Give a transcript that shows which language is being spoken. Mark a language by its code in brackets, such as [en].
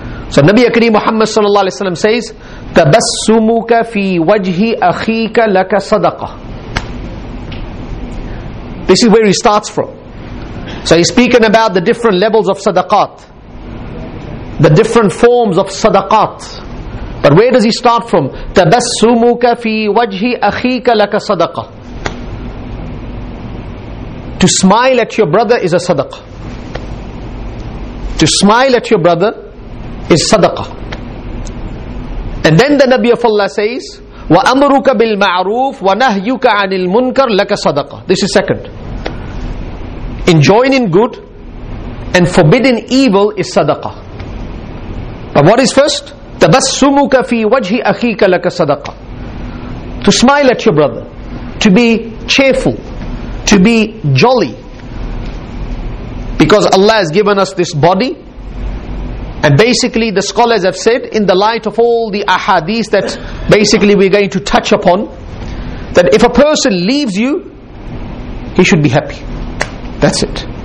[en] So Nabi Akram Muhammad sallallahu alayhi wa sallam says, [ar] تَبَسُّمُكَ فِي وَجْهِ أَخِيكَ لَكَ صَدَقَةً. [en] This is where he starts from. So he's speaking about the different levels of sadaqat, the different forms of sadaqat. But where does he start from? [ar] تَبَسُّمُكَ فِي وَجْهِ أَخِيكَ لَكَ صَدَقَةً. [en] To smile at your brother is a sadaqah. To smile at your brother is sadaqah. And then the Nabi of Allah says, [ar] وَأَمْرُكَ بِالْمَعْرُوفِ وَنَهْيُكَ عَنِ الْمُنْكَرِ لَكَ صَدَقَةً. [en] This is second. Enjoining good and forbidding evil is sadaqah. But what is first? [ar] تَبَسُّمُكَ فِي وَجْهِ أَخِيكَ لَكَ صَدَقَةً. [en] To smile at your brother. To be cheerful. To be jolly. Because Allah has given us this body. And basically the scholars have said, in the light of all the ahadith that basically we're going to touch upon, that if a person leaves you, he should be happy. That's it.